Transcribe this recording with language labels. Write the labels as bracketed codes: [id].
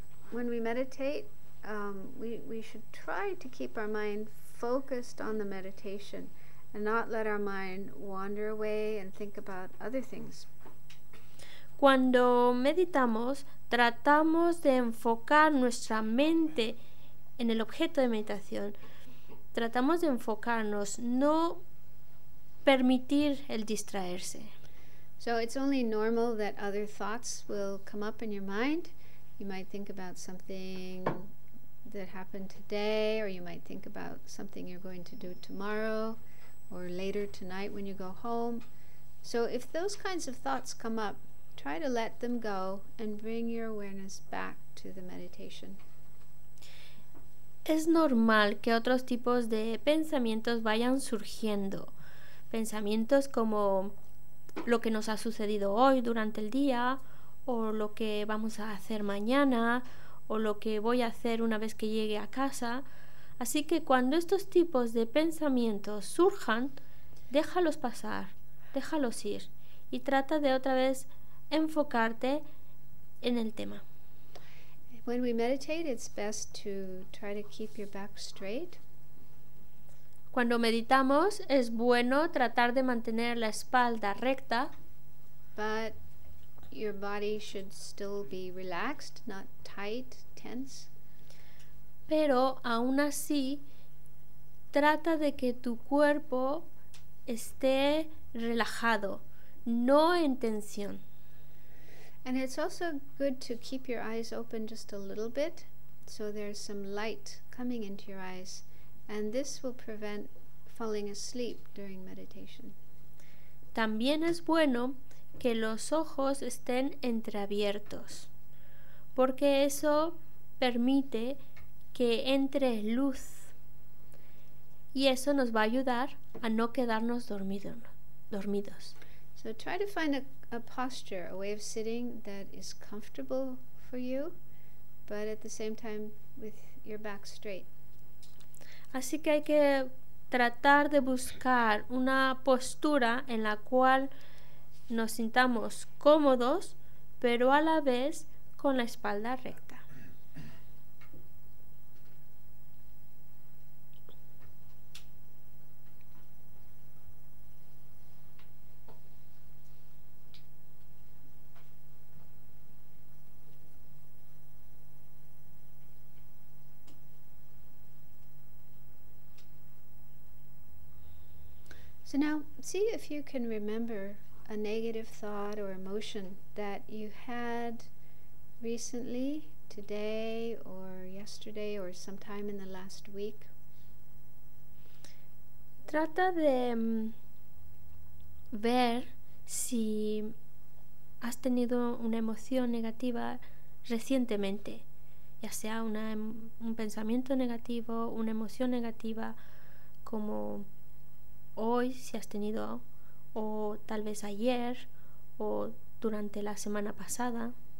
[en] When we meditate, we should try to keep our mind focused on the meditation and not let our mind wander away and think about other things. [es] Cuando meditamos, tratamos de enfocar nuestra mente en el objeto de meditación. Tratamos de enfocarnos, no permitir el distraerse. [en] So it's only normal that other thoughts will come up in your mind. You might think about something that happened today, or you might think about something you're going to do tomorrow or later tonight when you go home. So if those kinds of thoughts come up, try to let them go and bring your awareness back to the meditation. [es] Es normal que otros tipos de pensamientos vayan surgiendo. Pensamientos como lo que nos ha sucedido hoy durante el día, o lo que vamos a hacer mañana, o lo que voy a hacer una vez que llegue a casa. Así que cuando estos tipos de pensamientos surjan, déjalos pasar, déjalos ir, y trata de otra vez enfocarte en el tema. [en] When we meditate, it's best to try to keep your back straight. [es] Cuando meditamos, es bueno tratar de mantener la espalda recta. [en] But your body should still be relaxed, not tight, tense. [es] Pero aún así, trata de que tu cuerpo esté relajado, no en tensión. [en] And it's also good to keep your eyes open just a little bit, so there's some light coming into your eyes, and this will prevent falling asleep during meditation. [es] También es bueno que los ojos estén entreabiertos, porque eso permite que entre luz, y eso nos va a ayudar a no quedarnos dormidos. [en] So try to find a posture, a way of sitting that is comfortable for you, but at the same time with your back straight. [es] Así que hay que tratar de buscar una postura en la cual nos sintamos cómodos, pero a la vez con la espalda recta. [en] So now, see if you can remember a negative thought or emotion that you had recently, today or yesterday or sometime in the last week. [es] Trata de ver si has tenido una emoción negativa recientemente, ya sea un pensamiento negativo, una emoción negativa, como hoy, si has tenido, o tal vez ayer, o durante la semana pasada.